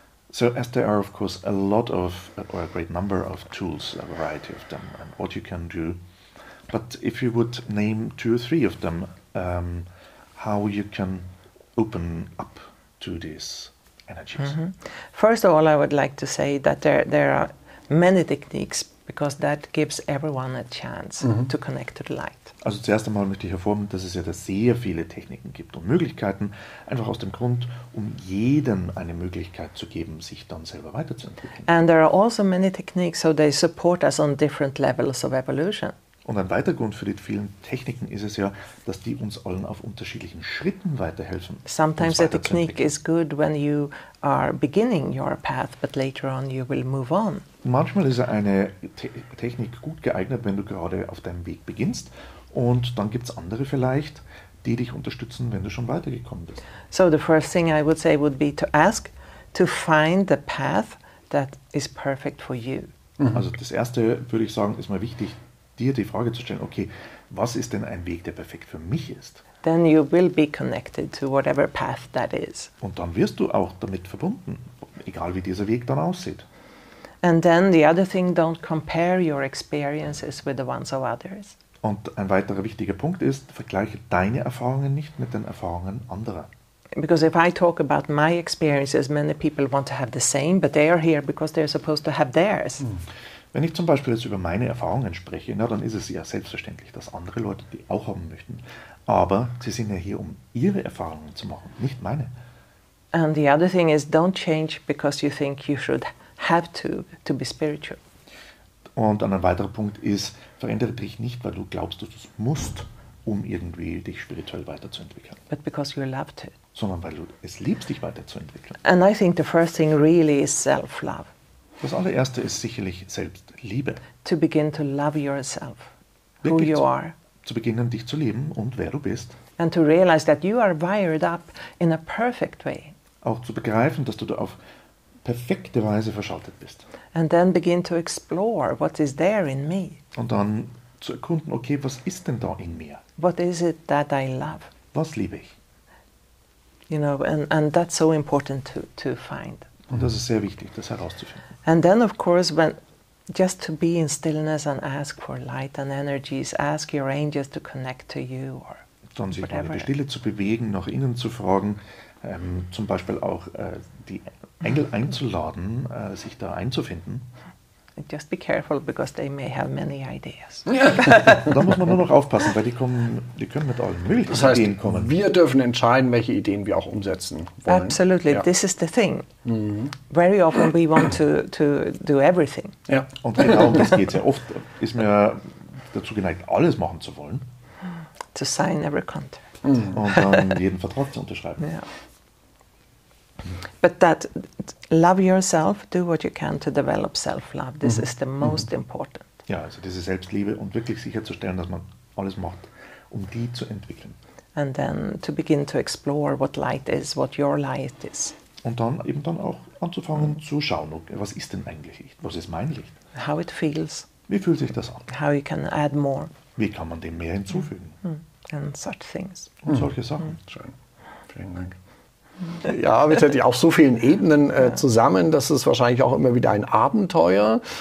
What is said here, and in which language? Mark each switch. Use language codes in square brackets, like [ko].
[en] So, as there are, of course, a lot of, or a great number of tools, a variety of them, and what you can do. But if you would name two or three of them, how you can open up to this energies. Mm-hmm. First of all, I would like to say that there are many techniques because that gives everyone a chance to connect to the light. [de] Also zuerst einmal möchte ich hervorheben, dass es ja da sehr viele Techniken gibt und Möglichkeiten, einfach aus dem Grund, um jedem eine Möglichkeit zu geben, sich dann selber weiterzuentwickeln. [en] And there are also many techniques, so they support us on different levels of evolution. [de] Und ein weiterer Grund für die vielen Techniken ist es ja, dass die uns allen auf unterschiedlichen Schritten weiterhelfen. [en] Sometimes a technique is good when you are beginning your path, but later on you will move on. [de] Manchmal ist eine Technik gut geeignet, wenn du gerade auf deinem Weg beginnst. Und dann gibt es andere vielleicht, die dich unterstützen, wenn du schon weitergekommen bist. [en] So the first thing I would say would be to ask to find the path that is perfect for you. [de] Also das Erste, würde ich sagen, ist mal wichtig, dir die Frage zu stellen, okay, was ist denn ein Weg, der perfekt für mich ist? [en] Then you will be connected to whatever path that is. [de] Und dann wirst du auch damit verbunden, egal wie dieser Weg dann aussieht. [en] And then the other thing, don't compare your experiences with the ones of others. [de] Und ein weiterer wichtiger Punkt ist, vergleiche deine Erfahrungen nicht mit den Erfahrungen anderer. [en] Because if I talk about my experiences, many people want to have the same, but they are here because they're supposed to have theirs. [de] Wenn ich zum Beispiel jetzt über meine Erfahrungen spreche, na, dann ist es ja selbstverständlich, dass andere Leute die auch haben möchten. Aber sie sind ja hier, um ihre Erfahrungen zu machen, nicht meine. [en] And the other thing is, don't change because you think you should have to be spiritual. [de] Und dann ein weiterer Punkt ist, verändere dich nicht, weil du glaubst, dass du es musst, um irgendwie dich spirituell weiterzuentwickeln. [en] But because you love to. [de] Sondern weil du es liebst, dich weiterzuentwickeln. [en] And I think the first thing really is self-love. [de] Das allererste ist sicherlich Selbstliebe. [en] To begin to love yourself, who you are. [de] Zu beginnen, dich zu lieben und wer du bist. [en] And to realize that you are wired up in a perfect way. [de] Auch zu begreifen, dass du da auf perfekte Weise verschaltet bist. [en] And then begin to explore what is there in me. [de] Und dann zu erkunden, okay, was ist denn da in mir? [en] What is it that I love? [de] Was liebe ich? [en] You know, and that's so important to find. [de] Und das ist sehr wichtig, das herauszufinden. [en] And then, of course, when just to be in stillness and ask for light and energies, ask your angels to connect to you or [de] dann sich whatever. Mal in die Stille zu bewegen, nach innen zu fragen, zum Beispiel auch die Engel einzuladen, sich da einzufinden. [en] And just be careful, because they may have many ideas. [de] Da muss man nur noch aufpassen, weil die können mit allen möglichen Ideen kommen. Das heißt, wir dürfen entscheiden, welche Ideen wir auch umsetzen wollen. [en] Absolutely, this is the thing. Very often we want to do everything. [de] Ja, und genau um das geht es ja. Oft ist man dazu geneigt, alles machen zu wollen. [en] To sign every contract. [de] Und dann jeden Vertrag zu unterschreiben. [en] Yeah. But that love yourself, do what you can to develop self-love. This is the most important. [de] Ja, also diese Selbstliebe und wirklich sicherzustellen, dass man alles macht, um die zu entwickeln. [en] And then to begin to explore what light is, what your light is. [de] Und dann eben dann auch anzufangen zu schauen, okay, was ist denn eigentlich Licht? Was ist mein Licht? [en] How it feels. [de] Wie fühlt sich das an? [en] How you can add more. [de] Wie kann man dem mehr hinzufügen? [en] And such things. [de] Und solche Sachen. Schön. Vielen Dank. Ja, wir sind ja auf so vielen Ebenen zusammen, das ist wahrscheinlich auch immer wieder ein Abenteuer.